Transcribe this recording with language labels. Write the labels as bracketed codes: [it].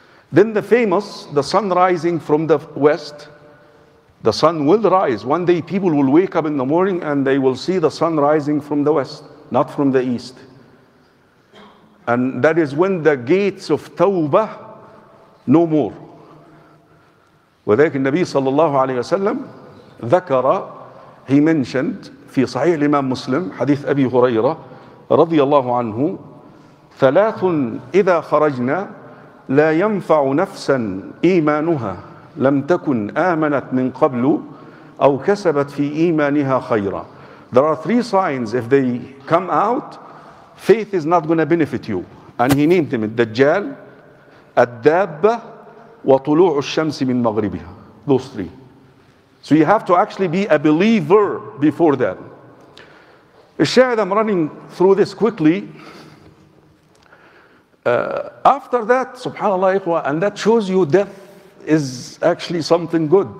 [en] Then the famous, the sun rising from the west, the sun will rise. One day people will wake up in the morning and they will see the sun rising from the west, not from the east. And that is when the gates of Tawbah, no more. [ar] وذلك النبي صلى الله عليه وسلم ذكر, [en] he mentioned [ar] في صحيح الإمام مسلم حديث أبي هريرة رضي الله عنه, ثلاث إذا خرجنا لا ينفع نفسا إيمانها لم تكن آمنت من قبل أو كسبت في إيمانها خيرا. [en] There are three signs. If they come out, faith is not going to benefit you. And he named them [ar] الدجال, الدابة, وطلوع الشمس من مغربها. [en] Those three. So you have to actually be a believer before that. الشاهد, I'm running through this quickly. After that, subhanAllah, إخوة, and that shows you death is actually something good.